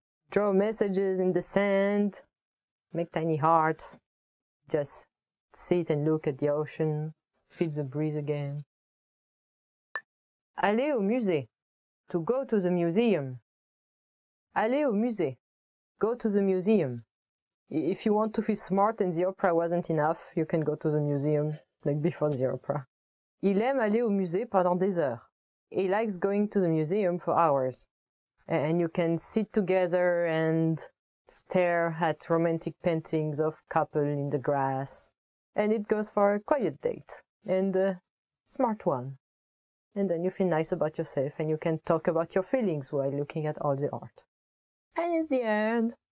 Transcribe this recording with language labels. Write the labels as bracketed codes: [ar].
[en] draw messages in the sand, make tiny hearts, just sit and look at the ocean, feel the breeze again. [fr] Aller au musée, [en] to go to the museum. Aller au musée, go to the museum. If you want to feel smart and the opera wasn't enough, you can go to the museum, like before the opera. [fr] Il aime aller au musée pendant des heures. [en] He likes going to the museum for hours. And you can sit together and stare at romantic paintings of couple in the grass. And it goes for a quiet date and a smart one. And then you feel nice about yourself and you can talk about your feelings while looking at all the art. And it's the end.